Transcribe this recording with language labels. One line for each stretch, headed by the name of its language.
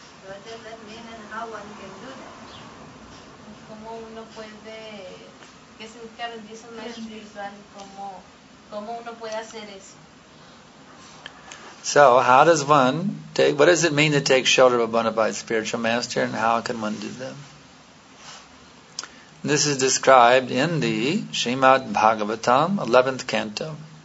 English: What does that mean and how one can do that?
Spanish: Como uno puede, que se busca rendir su maestro espiritual, como uno puede hacer eso?
English: So, how does one take, what does it mean to take shelter of a bona fide spiritual master, and how can one do that? This is described in the Srimad Bhagavatam, 11th canto.